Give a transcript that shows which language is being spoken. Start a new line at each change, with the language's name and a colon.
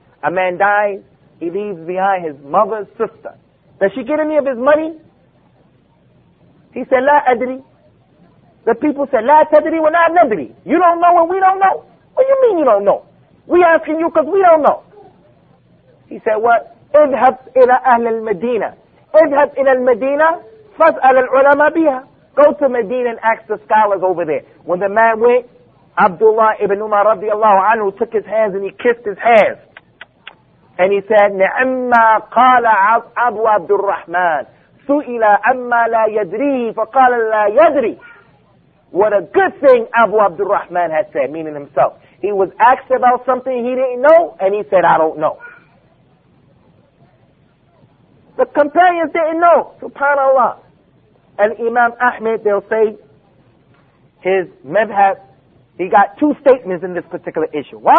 English: A man dies, he leaves behind his mother's sister. Does she get any of his money? He said,
Arabic: La adri.
English: The people said,
Arabic: La tadri wa la nadri.
English: You don't know and we don't know? What do you mean you don't know? We asking you because we don't know. He said, what?
Arabic: اذهب إلى أهل المدينة. اذهب إلى المدينة فاسأل العلماء بها.
English: Go to Medina and ask the scholars over there. When the man went, Abdullah ibn Umar radiallahu anhu took his hands and he kissed his hands. And he said,
Arabic: نِعَمَّا قَالَ أَبُوَ عَبْدُ الرَّحْمَنِ سُئِلَ أَمَّا لَا يَدْرِيهِ فَقَالَ لَا يَدْرِي.
English: What a good thing Abu Abdul Rahman had said, meaning himself. He was asked about something he didn't know, and he said, I don't know. The companions didn't know, subhanAllah. And Imam Ahmed, they'll say, his madhhab, he got two statements in this particular issue. Why?